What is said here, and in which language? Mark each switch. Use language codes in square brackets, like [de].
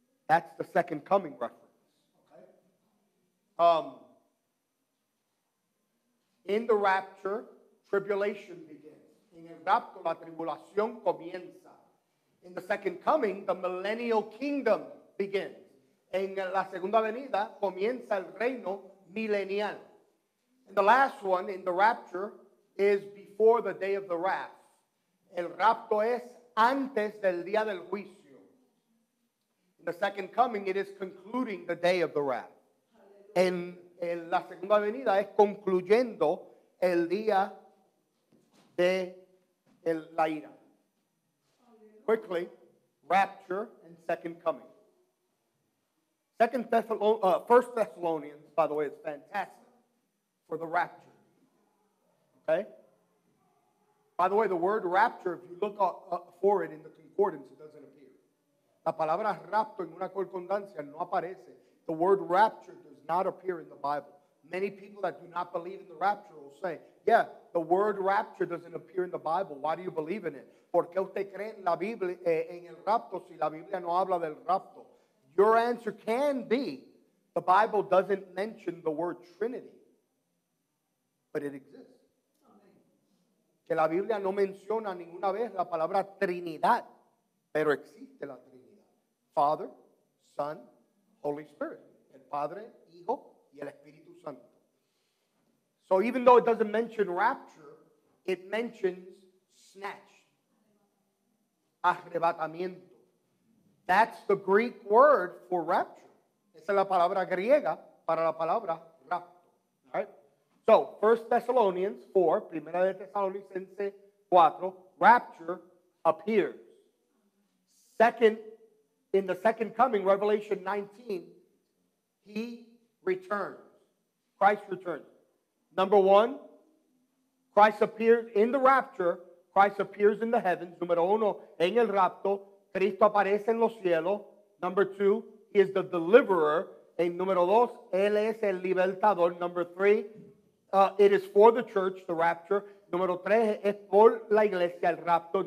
[en] That's the second coming reference. Okay. In the rapture, tribulation begins. [es] En el rapto, la tribulación comienza. [en] In the second coming, the millennial kingdom begins. [es] En la segunda venida comienza el reino millennial. [en] And the last one in the rapture is before the day of the wrath. [es] El rapto es antes del día del juicio. [en] In the second coming, it is concluding the day of the wrath. [es] En la segunda venida es concluyendo el día de la ira. [en] Quickly, rapture and second coming. Second Thessalonians, by the way, is fantastic. for the rapture. Okay? By the way, the word rapture, if you look for it in the concordance, it doesn't appear. [es] La palabra rapto en una concordancia no aparece. [en] The word rapture does not appear in the Bible. Many people that do not believe in the rapture will say, yeah, the word rapture doesn't appear in the Bible. Why do you believe in it? [es] ¿Por qué usted cree en la Biblia, en el rapto si la Biblia no habla del rapto? [en] Your answer can be, the Bible doesn't mention the word Trinity, but it exists. [es] Que la Biblia no menciona ninguna vez la palabra Trinidad, pero existe la Trinidad. [en] Father, Son, Holy Spirit. [es] El Padre, Hijo, y el Espíritu Santo. [en] So even though it doesn't mention rapture, it mentions snatch. [es] Arrebatamiento. [en] That's the Greek word for rapture. [es] Esa es la palabra griega para la palabra rapto. [en] All right? So, 1 Thessalonians 4, [es] Primera de Tesalonicense 4, [en] rapture appears. Second, in the second coming, Revelation 19, he returns. Christ returns. Number one, Christ appears in the rapture. Christ appears in the heavens. [es] Número uno, en el rapto, Cristo aparece en los cielos. [en] Number two, he is the deliverer. [es] En número dos, él es el libertador. [en] Number three, it is for the church, the rapture. [es] Número tres, es por la iglesia, el rapto.